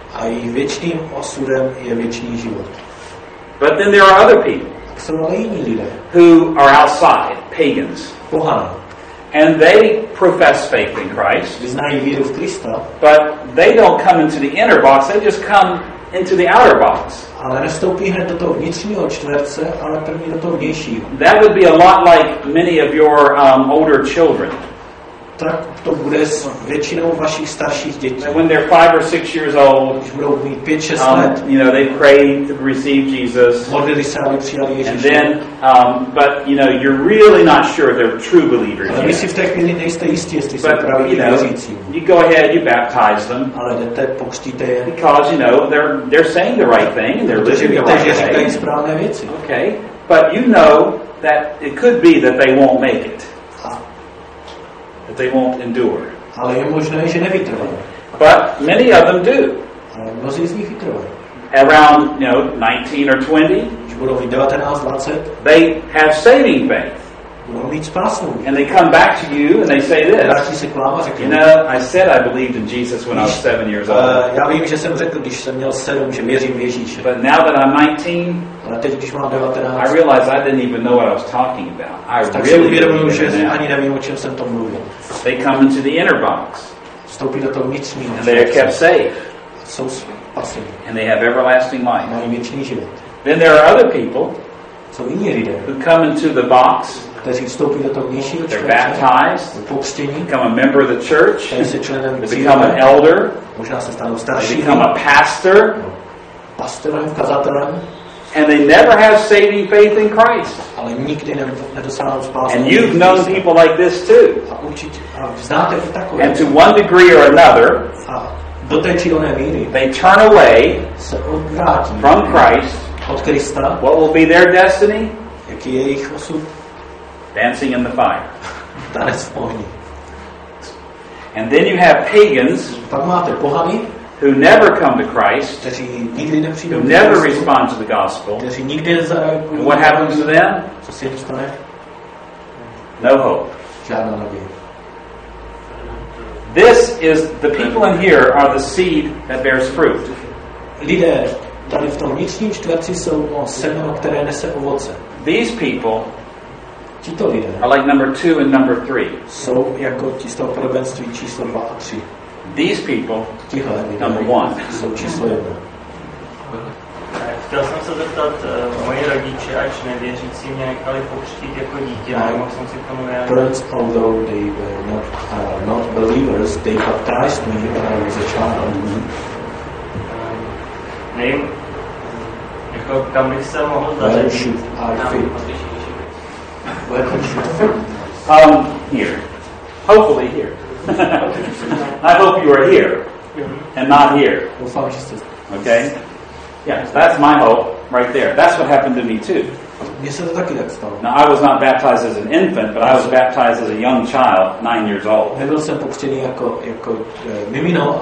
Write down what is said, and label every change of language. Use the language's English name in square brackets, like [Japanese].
[Czech] A jejich věčným osudem je věčný život. [English] But then there are other people who are outside, pagans. [Czech] Pohané. [English] And they profess faith in Christ. [Czech] Vyznají víru v Krista. [English] But they don't come into the inner box. They just come into the outer box. [Czech] Ale nestoupí hned do toho vnitřního čtverce, ale první do toho vnějšího. [English] That would be a lot like many of your older children. [Czech] Tak to bude s většinou vašich starších dětí. [English] And when they're 5 or 6 years old, [Czech] když budou mít 5-6 let, [English] you know, they've prayed to receive Jesus. [Czech] Modlili se, aby přijali Ježíše. [English] And then, but you know, you're really not sure they're true believers. [Czech] Ale si v té chvíli nejste jistí, jestli jsou praví věřící. [English] You go ahead, you baptize them. [Czech] Ale jdete, pokřtíte je. [English] Because you know they're saying the right thing and they're living the right way. [Czech] Protože víte, že říkají správné věci. [English] Okay, but you know that it could be that they won't make it. That they won't endure. [Czech] Ale je možné, že nevytrvají. [English] But many of them do. [Czech] Ale mnozí z nich vytrvají. [English] Around, you know, 19 or 20. [Czech] Když budou mít 19, 20. [English] They have saving faith. [Czech] Budou mít spásnou. [English] And they come back to you and they say this. [Czech] Vrátí se k vám a řeknou. [English] You know, I said I believed in Jesus when I was 7 years old. [Czech] Já vím, že jsem řekl, když jsem měl 7, že věřím v Ježíše. [English] But now that I'm 19. [Czech] Ale teď, když mám 19. [English] I realize I didn't even know what I was talking about. I [Czech] tak [English] really [Czech] si uvědomuji, že ani nevím, o čem jsem to mluvil. [English] They come into the inner box. [Czech] Vstoupí do toho vnitřního. [English] And they are kept safe. [Czech] Jsou spasení. [English] And they have everlasting life. [Czech] Mají věčný život. [English] Then there are other people. [Czech] Jsou jiní lidé. [English] Who come into the box. [Czech] Kteří vstoupí do toho vnitřního. [English] They're baptized. [Czech] Do pokřtění. [English] Become a member of the church. [Czech] Stají se členem církve. [English] Become an elder. [Czech] Možná se stanou staršími. [English] Become a pastor. [Czech] Pastorem, kazatelem. [English] and they never have saving faith in Christ. [Czech] Ale nikdy nedostanou spásu. [English] And you've known people like this too. [Czech] A určitě, a znáte takové. [English] And to one degree or another, [Czech] do té či oné míry, [English] they turn away [Czech] se odvrátí [English] from Christ. [Czech] Od Krista. [English] What will be their destiny? [Czech] Jaký je jejich osud? [English] Dancing in the fire. [Czech] Tanec v ohni. [English] And then you have pagans [Czech] tam máte pohany, [English] who never come to Christ, [Czech] kteří nikdy nepřijdou, [English] who never respond to the gospel. [Czech] Kteří nikdy nezareagují. [English] And what happens to them? [Czech] Co se jim stane? [English] No hope. [Czech] Žádná naděje. [English] This is the people in here are the seed that bears fruit. [Czech] Lidé tady v tom vnitřním čtverci jsou semeno, které nese ovoce. [English] These people [Czech] tito lidé [English] are like number 2 and number 3. [Czech] Jsou jako ti z toho prvenství číslo 2 a 3. [English] These people [Czech] tito lidé [English] number 1 [Czech] jsou číslo 1. Chtěl jsem se zeptat, moji rodiče, ač nevěřící, mě nechali pokřtít jako dítě, ale mohl jsem si k tomu vyjádřit. [English] Parents, although they were not believers, they baptized me when I was a child. [Czech] Nevím, jako kam bych se mohl zařadit. [English] Where should I fit? Where should I fit? Here. Hopefully here. I hope you are here, and not here. [Czech] Doufám, že jste. [English] Okay? Yes, that's my hope right there. That's what happened to me too. [Czech] Mně se to taky tak stalo. [English] Now, I was not baptized as an infant, but I was baptized as a young child, 9 years old. [Czech] Nebyl jsem pokřtěný jako mimino,